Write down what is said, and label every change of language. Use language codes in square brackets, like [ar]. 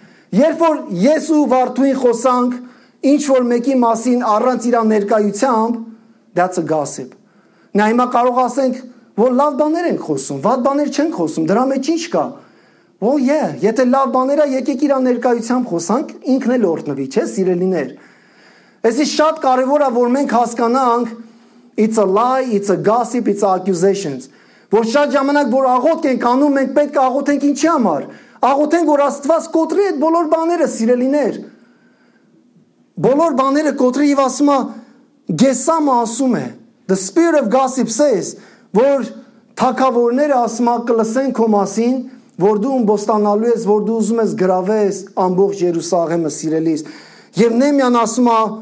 [hy] Երբ որ ես ու Վարդուհին խոսանք ինչ որ մեկի մասին առանց իրա ներկայությամբ, [en] that's a gossip. [hy] Նա հիմա կարող ասենք, որ լավ բաներ են խոսում, վատ բաներ չեն խոսում, դրա մեջ ինչ կա? [en] Oh yeah, [hy] եթե լավ բաներ է, եկեք իրա ներկայությամբ խոսանք, ինքն էլ օրհնվի, չէ՞, սիրելիներ. Էսի շատ կարևոր է, որ մենք հասկանանք, [en] it's a lie, it's a gossip, it's accusations. [hy] Որ շատ ժամանակ որ աղոթք ենք անում, մենք պետք է աղոթենք ինչի համար? Աղոթենք, որ Աստված կոտրի այդ բոլոր բաները, սիրելիներ. Բոլոր բաները կոտրի եւ ասում է, Գեսամը ասում է, [en] the spirit of gossip says, [hy] որ թակավորները ասում է, կլսեն քո մասին, որ դու ամբոստանալու ես, որ դու ուզում ես գրավես ամբողջ Երուսաղեմը, սիրելիս։ Եվ Նեմյան ասում է,